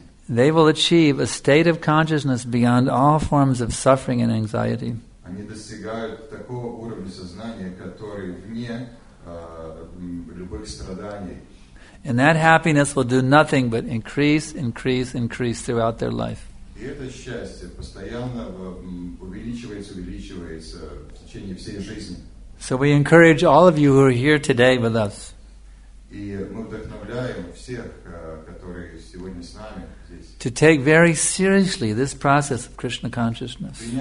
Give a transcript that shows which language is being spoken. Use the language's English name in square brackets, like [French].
[English] They will achieve a state of consciousness beyond all forms of suffering and anxiety. [Russian] Они достигают такого уровня сознания, который вне любых страданий. [English] And that happiness will do nothing but increase, increase, increase throughout their life. [Russian] И это счастье постоянно увеличивается, увеличивается в течение всей жизни. [English] So we encourage all of you who are here today with us. [Russian] И мы вдохновляем всех, которые сегодня с нами. [English] To take very seriously this process of Krishna consciousness.